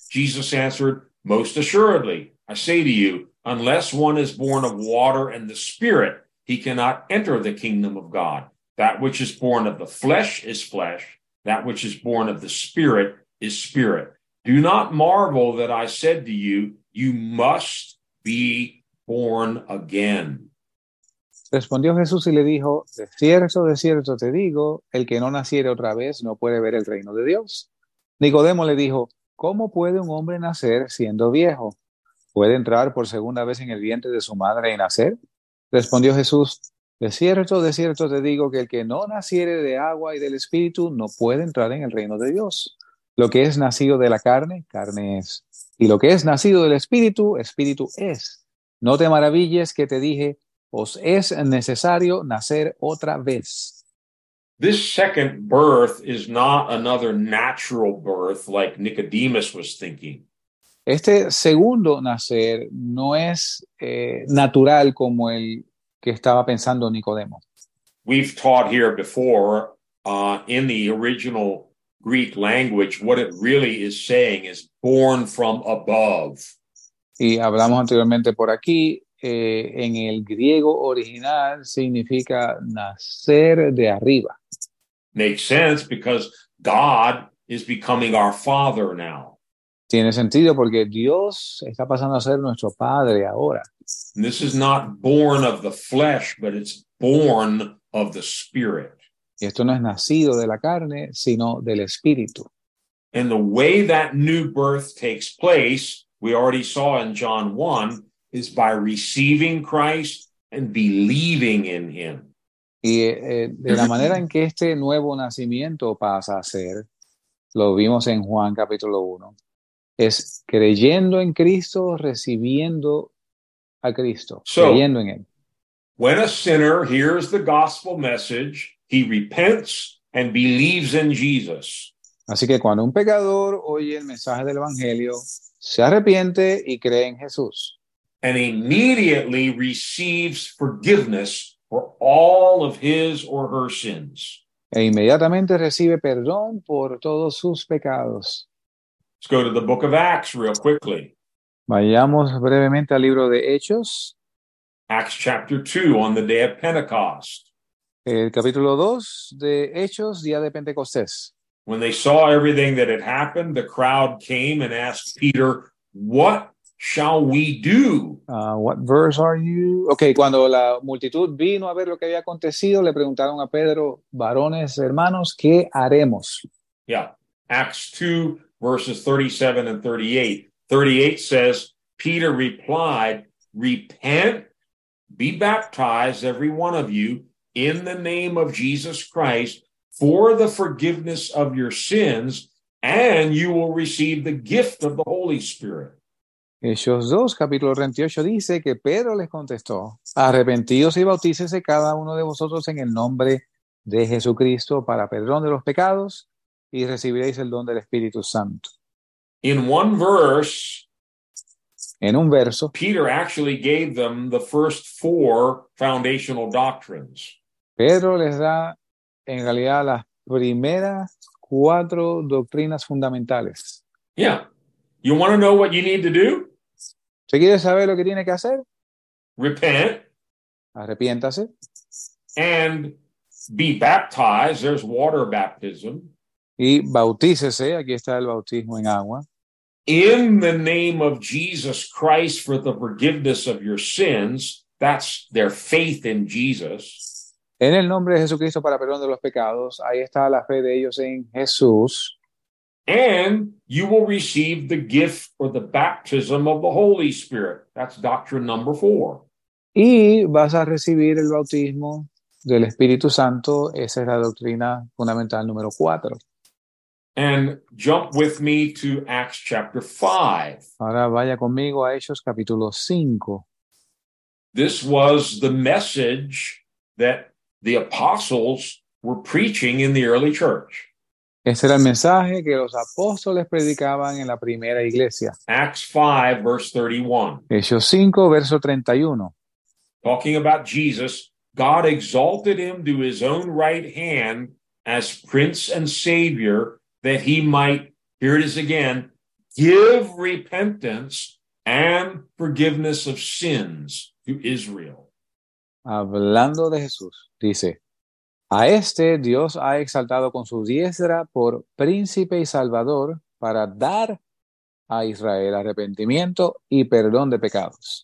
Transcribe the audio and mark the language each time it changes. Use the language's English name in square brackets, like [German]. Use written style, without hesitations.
[English] Jesus answered, most assuredly, I say to you, unless one is born of water and the Spirit, he cannot enter the kingdom of God. That which is born of the flesh is flesh. That which is born of the Spirit is spirit. Do not marvel that I said to you, you must be born again. [Spanish] Respondió Jesús y le dijo, de cierto te digo, el que no naciere otra vez no puede ver el reino de Dios. Nicodemo le dijo, ¿cómo puede un hombre nacer siendo viejo? ¿Puede entrar por segunda vez en el vientre de su madre y nacer? Respondió Jesús, de cierto te digo que el que no naciere de agua y del espíritu no puede entrar en el reino de Dios. Lo que es nacido de la carne, carne es. Y lo que es nacido del espíritu, espíritu es. No te maravilles que te dije, os es necesario nacer otra vez. [English] This second birth is not another natural birth like Nicodemus was thinking. [Spanish] Este segundo nacer no es natural como el que estaba pensando Nicodemo. [English] We've taught here before in the original Greek language, what it really is saying is born from above. [Spanish] Y hablamos anteriormente por aquí, en el griego original significa nacer de arriba. [English] Makes sense because God is becoming our father now. [Spanish] Tiene sentido porque Dios está pasando a ser nuestro padre ahora. [English] This is not born of the flesh, but it's born of the spirit. [Spanish] Y esto no es nacido de la carne, sino del espíritu. [English] And the way that new birth takes place, we already saw in John 1, is by receiving Christ and believing in him. [Spanish] Y de la manera en que este nuevo nacimiento pasa a ser, lo vimos en Juan capítulo 1. Es creyendo en Cristo, recibiendo a Cristo, [English] so, [Spanish] creyendo en él. [English] When a sinner hears the gospel message, he repents and believes in Jesus. [Spanish] Así que cuando un pecador oye el mensaje del Evangelio, se arrepiente y cree en Jesús. [English] And immediately receives forgiveness for all of his or her sins. [Spanish] E inmediatamente recibe perdón por todos sus pecados. [English] Let's go to the book of Acts real quickly. [Spanish] Vayamos brevemente al libro de Hechos. [English] Acts chapter 2 on the day of Pentecost. [Spanish] El capítulo 2 de Hechos, día de Pentecostés. [English] When they saw everything that had happened, the crowd came and asked Peter, what shall we do? What verse are you? [Spanish] Okay, cuando la multitud vino a ver lo que había acontecido, le preguntaron a Pedro, varones, hermanos, ¿qué haremos? [English] Yeah, Acts 2. Verses 37 and 38. 38 says, Peter replied, repent, be baptized, every one of you, in the name of Jesus Christ for the forgiveness of your sins, and you will receive the gift of the Holy Spirit. [Spanish] Hechos 2, capítulo 38, dice que Pedro les contestó, arrepentíos y bautícese cada uno de vosotros en el nombre de Jesucristo para perdón de los pecados y recibiréis el don del Espíritu Santo. [English] In one verse, [Spanish] en un verso, [English] Peter actually gave them the first four foundational doctrines. [Spanish] Pedro les da en realidad las primeras cuatro doctrinas fundamentales. [English] Yeah. You want to know what you need to do? [Spanish] ¿Se quiere saber lo que tiene que hacer? [English] Repent. [Spanish] Arrepiéntase. [English] And be baptized. There's water baptism. [Spanish] Y bautícese. Aquí está el bautismo en agua. [English] In the name of Jesus Christ for the forgiveness of your sins. That's their faith in Jesus. [Spanish] En el nombre de Jesucristo para perdón de los pecados. Ahí está la fe de ellos en Jesús. [English] And you will receive the gift or the baptism of the Holy Spirit. That's doctrine number four. [Spanish] Y vas a recibir el bautismo del Espíritu Santo. Esa es la doctrina fundamental número cuatro. [English] And jump with me to Acts chapter 5. [Spanish] Ahora vaya conmigo a Hechos capítulo 5. [English] This was the message that the apostles were preaching in the early church. [Spanish] Ese era el mensaje que los apóstoles predicaban en la primera iglesia. [English] Acts 5, verse 31. [Spanish] Hechos 5, verso 31. [English] Talking about Jesus, God exalted him to his own right hand as prince and savior, that he might, here it is again, give repentance and forgiveness of sins to Israel. [Spanish] Hablando de Jesús, dice, a este Dios ha exaltado con su diestra por príncipe y salvador para dar a Israel arrepentimiento y perdón de pecados.